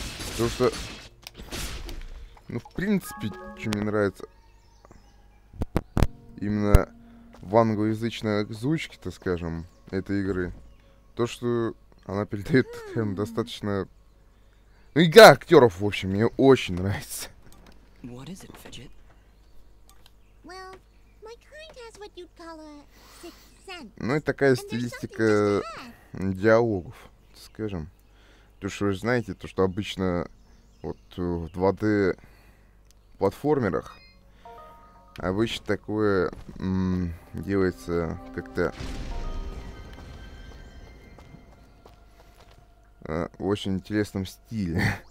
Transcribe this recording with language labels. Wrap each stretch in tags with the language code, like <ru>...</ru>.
<ru>Потому что, ну, в принципе, что мне нравится, именно в англоязычной озвучке, так скажем, этой игры, то, что она передает достаточно... Ну, игра актеров, в общем, мне очень нравится.</ru> <en>What is it, Fidget? Well, my kind has what you'd call a sixth sense.</en> <ru>Ну и такая стилистика диалогов, скажем. То, что вы знаете, то, что обычно вот в 2D платформерах обычно такое делается как-то в очень интересном стиле.</ru>